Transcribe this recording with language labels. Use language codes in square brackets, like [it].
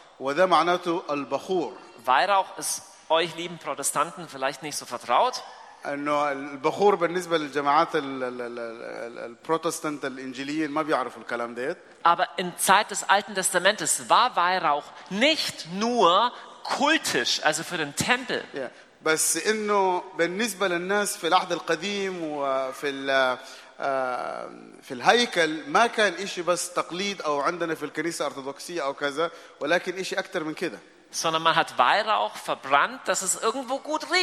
[de] Weihrauch ist euch lieben Protestanten vielleicht nicht so vertraut. [ar] انه البخور بالنسبه للجماعات البروتستانت الانجيليين ما بيعرفوا الكلام ديت. [de] Aber in Zeit des Alten Testamentes war Weihrauch nicht nur kultisch, also für den Tempel. Yeah. [ar] بس انه بالنسبه للناس في العهد القديم وفي في الهيكل ما كان شيء بس تقليد او عندنا في الكنيسه الارثوذكسيه او كذا ولكن شيء اكثر من كده. [de] Sondern man hat Weihrauch verbrannt, dass es irgendwo gut